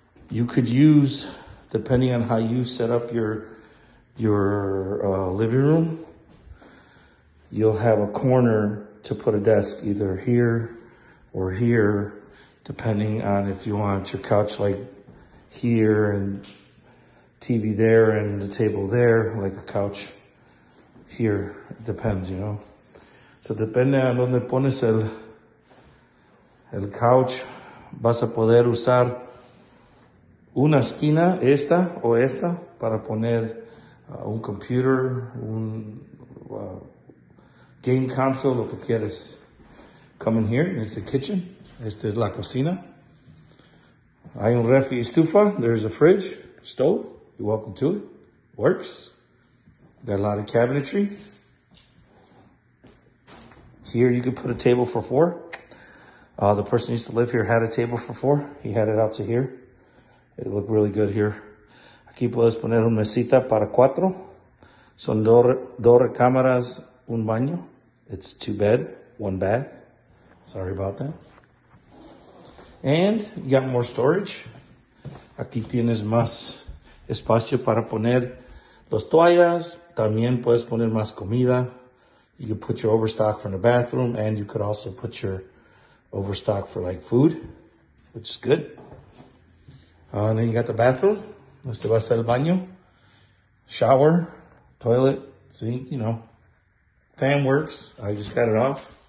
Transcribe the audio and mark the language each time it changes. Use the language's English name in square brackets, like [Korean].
[English] You could use, depending on how you set up your living room, you'll have a corner to put a desk either here or here, depending on if you want your couch like here and TV there and the table there, like a couch here. It depends, you know. [Spanish] So depende a donde pones el couch, vas a poder usar una esquina, esta o esta, para poner un computer, game console, lo que quieres. [English] Come in here, it's the kitchen. [Spanish] Esta es la cocina. Hay un refri estufa, [English] there's a fridge, stove. You're welcome to it. Works. Got a lot of cabinetry. Here you could put a table for four. The person used to live here had a table for four. He had it out to here. It looked really good here. [Spanish] Aquí puedes poner una mesita para cuatro. Son dos recámaras, un baño. [English] It's two bed, one bath. Sorry about that. And you got more storage. [Spanish] Aquí tienes más espacio para poner las toallas. También puedes poner más comida. [English] You can put your overstock for the bathroom, and you could also put your overstock for like food, which is good. And then you got the bathroom. [Spanish] Este va a ser el baño. [English] Shower, toilet, sink, you know. Fan works. I just got it off.